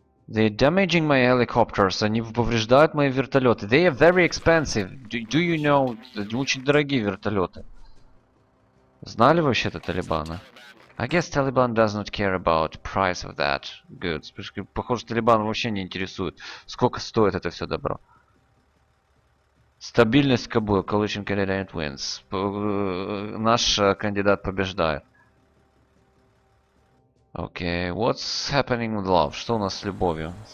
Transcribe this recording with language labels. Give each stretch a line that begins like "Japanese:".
English: They're damaging my helicopters.
Russian: Они повреждают мои вертолеты.
English: They are very expensive. Do you know?
Russian: Очень дорогие вертолеты. Знали вообще-то Талибана?
English: I guess Taliban does not care about price of that goods.
Russian: Похоже, Талибан вообще не интересует, сколько стоит это все добро. Стабильность Кабула.
English: Coalition candidate wins.
Russian: Наш кандидат побеждает.
English: Okay, what's happening with love?
Russian: Что у нас с любовью?